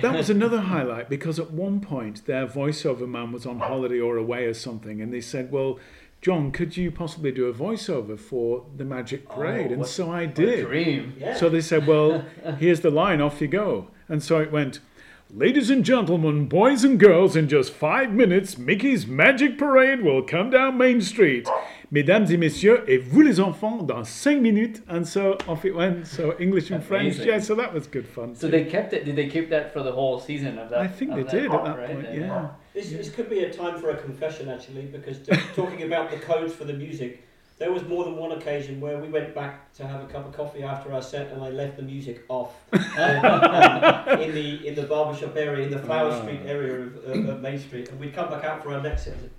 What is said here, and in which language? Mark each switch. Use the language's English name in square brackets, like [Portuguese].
[English] That was another highlight, because at one point their voiceover man was on holiday or away or something, and they said, well, John, could you possibly do a voiceover for the Magic Parade? Oh, and so I did. What a dream. Yeah. So they said, well, here's the line, off you go. And so it went, ladies and gentlemen, boys and girls, in just 5 minutes, Mickey's Magic Parade will come down Main Street. [French] Mesdames et messieurs, et vous les enfants, dans 5 minutes. [English] And so off it went. So English and French. Yeah, so that was good fun. So they kept it. Did they keep that for the whole season of that? I think they did at that point, yeah. This could be a time for a confession, actually, because talking about the codes for the music, there was more than one occasion where we went back to have a cup of coffee after our set, and I left the music off in the barbershop area, in the Flower Street area of Main Street, and we'd come back out for our next set.